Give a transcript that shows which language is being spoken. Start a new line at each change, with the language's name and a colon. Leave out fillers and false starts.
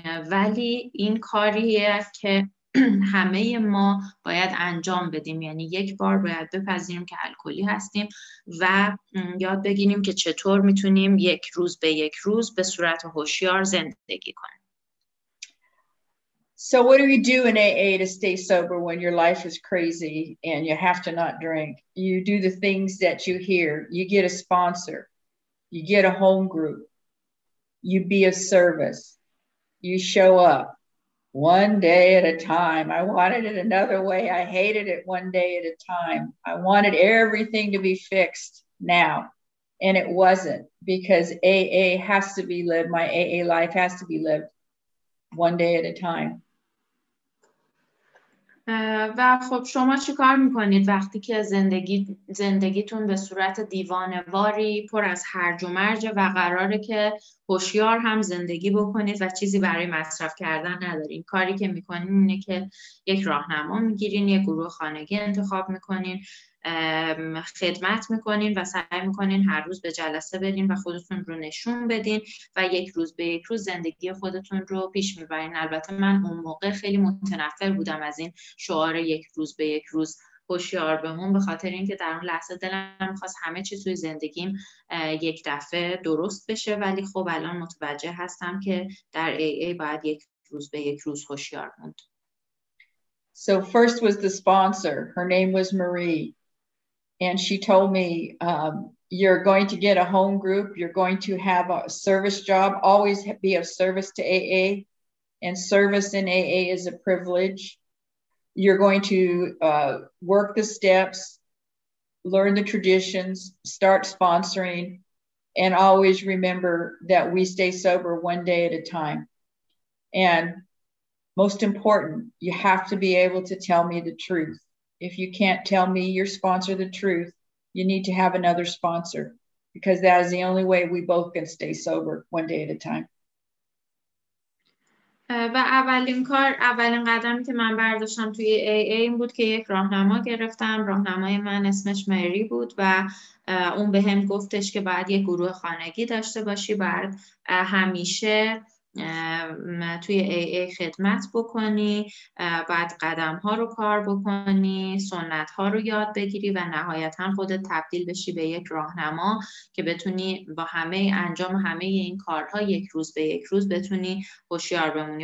Persian: ولی این کاریه که همه ما باید انجام بدیم، یعنی یک بار باید بپذیریم که الکلی هستیم و یاد بگیریم که چطور میتونیم یک روز به یک روز به صورت هوشیار زندگی کنیم.
English: So what do you do in AA to stay sober when your life is crazy and you have to not drink? You do the things that you hear. You get a sponsor. You get a home group. You be of service. You show up. One day at a time. I wanted it another way. I hated it one day at a time. I wanted everything to be fixed now. And it wasn't, because AA has to be lived. My AA life has to be lived one day at a time.
Persian: و خب شما چی کار میکنید وقتی که زندگیتون به صورت دیوانواری پر از هرج و مرج و قراره که هوشیار هم زندگی بکنید و چیزی برای مصرف کردن ندارین؟ کاری که میکنین اینه که یک راهنما میگیرین، یک گروه خانگی انتخاب میکنین، خدمت میکنین و سعی میکنین هر روز به جلسه برین و خودتون رو نشون بدین و یک روز به یک روز زندگی خودتون رو پیش میبرین. البته من اون موقع خیلی متنفر بودم از این شعار یک روز به یک روز هوشیار بمون، به خاطر اینکه در اون لحظه دلم خواست همه چی توی زندگیم یک دفعه درست بشه. ولی خب الان متوجه هستم که در AA باید یک روز به یک روز هوشیار موند.
English: So first was the sponsor. Her name was Marie. And she told me, you're going to get a home group. You're going to have a service job. Always be of service to AA. And service in AA is a privilege. You're going to work the steps, learn the traditions, start sponsoring, and always remember that we stay sober one day at a time. And most important, you have to be able to tell me the truth. If you can't tell me your sponsor the truth, you need to have another sponsor, because that is the only way we both can stay sober one day at a time.
Persian: و اولین قدمی که من برداشتم توی AA این بود که یک راهنما گرفتم. راهنمای من اسمش مری بود و اون به هم گفتش که باید یک گروه خانگی داشته باشی، باید همیشه توی AA خدمت بکنی، بعد قدم ها رو کار بکنی، سنت ها رو یاد بگیری و نهایتا خودت تبدیل بشی به یک راهنما که بتونی با همه انجام همه این کارها یک روز به یک روز بتونی هوشیار بمونی.